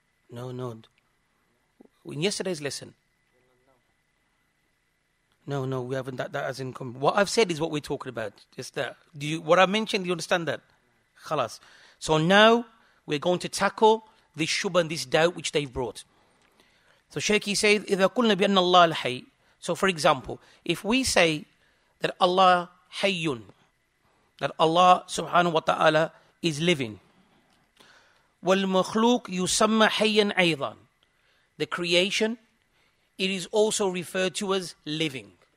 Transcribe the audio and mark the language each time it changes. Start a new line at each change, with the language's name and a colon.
English: No. In yesterday's lesson. No, we haven't. That has in common. What I've said is what we're talking about. Just that. Do you, what I mentioned, do you understand that? Khalas. So now we're going to tackle this shubha and this doubt which they've brought. So Shaykh, he says,
Arabic: إِذَا قُلْنَا بِأَنَّ اللَّهَ الْحَيِّ.
English: So for example, if we say that Allah hayyun, that Allah subhanahu wa ta'ala is living,
Arabic: وَالْمَخْلُوقُ يُسَمَّ حَيًّا أَيْضًا,
English: the creation, it is also referred to as living.